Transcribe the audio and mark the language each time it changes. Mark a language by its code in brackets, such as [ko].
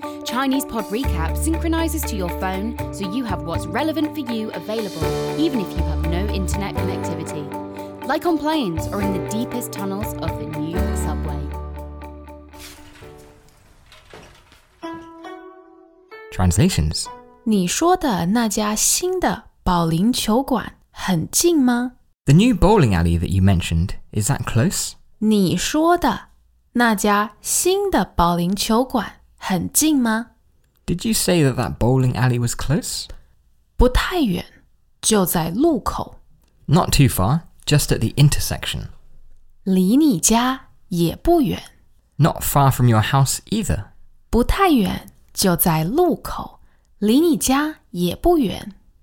[en] Chinese Pod Recap synchronizes to your phone so you have what's relevant for you available, even if you have no internet connectivity. Like on planes or in the deepest tunnels of the New York subway. Translations. [zh] 你说的那家新的保龄球馆很近吗? [en] The new bowling alley that you mentioned, is that close? [zh] 你说的那家新的保龄球馆很近吗? [en] Did you say that that bowling alley was close? [zh] 不太远,就在路口。 [en] Not too far, just at the intersection. [zh] 离你家也不远。 [en] Not far from your house either. [zh] 不太远,就在路口。离你家也不远。